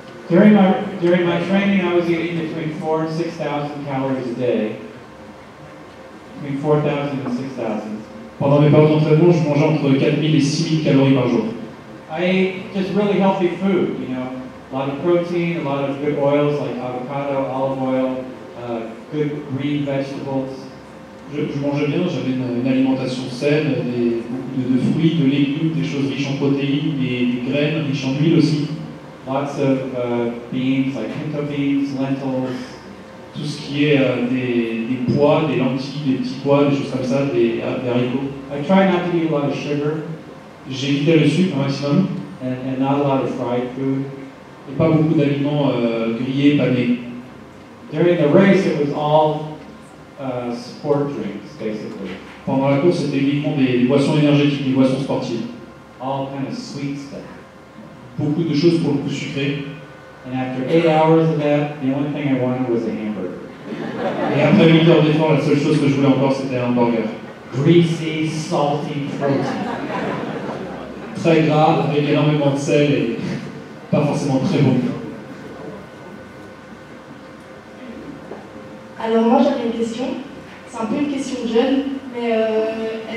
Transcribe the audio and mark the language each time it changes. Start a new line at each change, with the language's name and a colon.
English: During my training, I was eating between 4,000 and 6,000 calories a day. Between 4,000 and 6,000.
French: Pendant mes périodes d'entraînement, je mangeais entre 4,000 et 6,000 calories par jour.
English: I ate just really healthy food, you know. A lot of protein, a lot of good oils like avocado, olive oil, good green vegetables.
French: Je mangeais bien, j'avais une alimentation saine, beaucoup de fruits, de légumes, des choses riches en protéines, des graines riches en huile aussi.
English: Lots of beans, like pinto beans, lentils.
French: Tout ce qui est des pois, des lentilles, des petits pois, des choses comme ça, des haricots.
English: I try not to eat a lot of sugar.
French: J'évite le sucre au maximum.
English: And not a lot of fried food.
French: Et pas beaucoup d'aliments grillés, panés.
English: During the race, it was all sport drinks, basically.
French: Pendant la course, c'était uniquement des boissons énergétiques, des boissons sportives.
English: All kind of sweet stuff.
French: Beaucoup de choses pour le coup sucrées.
English: And after 8 hours of that, the only thing I wanted was a hamburger.
French: Et après 8 heures d'effort, la seule chose que je voulais encore, c'était un hamburger.
English: Greasy, salty protein.
French: Très gras, avec énormément de sel et pas forcément très bon. Alors moi j'avais une question. C'est un peu une question jeune, mais